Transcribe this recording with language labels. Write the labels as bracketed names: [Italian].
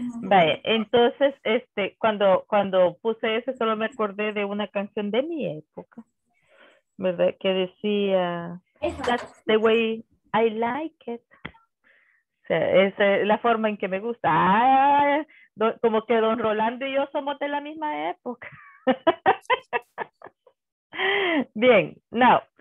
[Spanish] Vale, entonces cuando puse eso solo me acordé de una canción de mi época, ¿verdad? Que decía [English] that's the way I like it. [Spanish] Es la forma en que me gusta. Ah, como que don Rolando y yo somos de la misma época. Bien, now.